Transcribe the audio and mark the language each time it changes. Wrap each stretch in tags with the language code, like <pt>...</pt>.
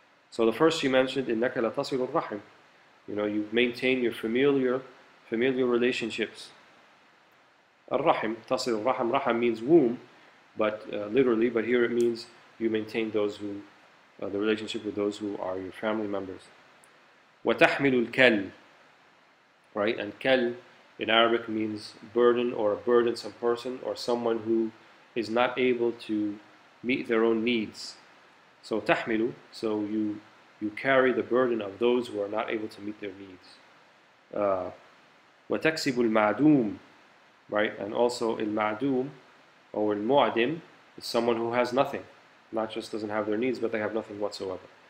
<en>So the first she mentioned,</en> <ar>إِنَّكَ لَتَصِلُ الرَّحِمُ,</ar> <en>you know, you maintain your familial relationships. Al-Rahim, Tasir al-Rahim, Rahim means womb, but literally, but here it means you maintain those who, the relationship with those who are your family members.</en> <ar>وَتَحْمِلُ الْكَلْ, right?</ar> <en>And كَلْ in Arabic means burden or a burdensome person or someone who is not able to meet their own needs. So تَحْمِلُ, so you carry the burden of those who are not able to meet their needs.</en> <ar>وَتَكْسِبُ الْمَعْدُومُ, right?</ar> <en>And also al-ma'dum or al-mu'adim is someone who has nothing, not just doesn't have their needs, but they have nothing whatsoever.</en>